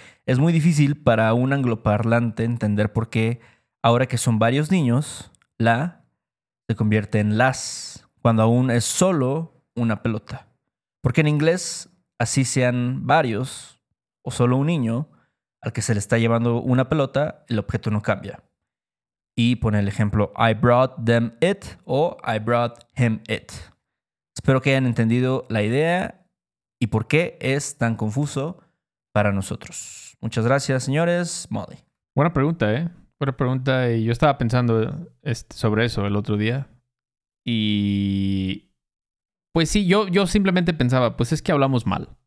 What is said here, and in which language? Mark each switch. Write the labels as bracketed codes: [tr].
[es] Es muy difícil para un angloparlante entender por qué, ahora que son varios niños, la se convierte en las, cuando aún es solo una pelota. Porque en inglés, así sean varios o solo un niño, al que se le está llevando una pelota, el objeto no cambia. Y pone el ejemplo, [en] I brought them it o I brought him it. [es] Espero que hayan entendido la idea y por qué es tan confuso para nosotros. Muchas gracias, señores. Molly. Buena pregunta, ¿eh? Buena pregunta. Y yo estaba pensando sobre eso el otro día. Y pues sí, yo simplemente pensaba, pues es que hablamos mal.